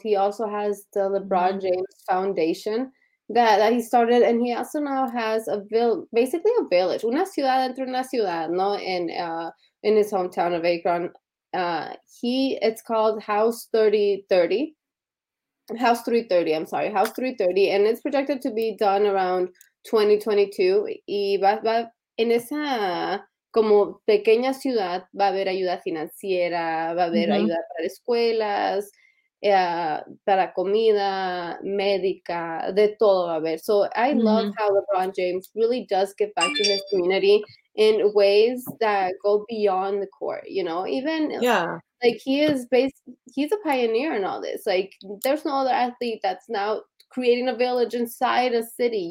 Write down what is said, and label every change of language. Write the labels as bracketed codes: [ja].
[en] He also has the LeBron James Foundation that he started, and he also now has a vill basically a village, [es] una ciudad dentro de una ciudad, no, [en] in his hometown of Akron. It's called House 3030. House 330, I'm sorry, House 330, and it's projected to be done around 2022. [es] Y va en esa como pequeña ciudad, va a haber ayuda financiera, va a haber ayuda para escuelas, para comida, médica, de todo va a haber. [en] So I love how LeBron James really does give back to his community in ways that go beyond the court. You know, even Yeah. like he is basically, he's a pioneer in all this. Like there's no other athlete that's now creating a village inside a city.